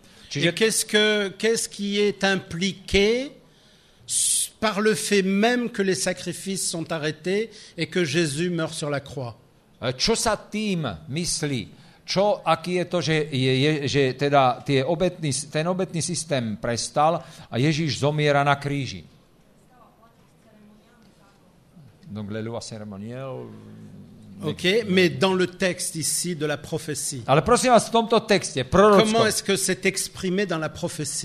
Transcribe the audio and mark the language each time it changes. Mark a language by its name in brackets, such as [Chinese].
[French] Čiže qu'est-ce qui est impliqué par le fait même que les sacrifices sont arrêtés et que Jésus meurt sur la croix? [Slovak] Čo sa tým myslí? Čo, aký je to, že teda ten obetný systém prestal a Ježíš zomiera na kríži? [French] Donc le loi cérémoniel. OK, mais dans le texte ici de la prophétie. [Slovak] Ale prosím vás, v tomto texte, prorocko. [French] Comment est-ce que c'est exprimé dans la prophétie?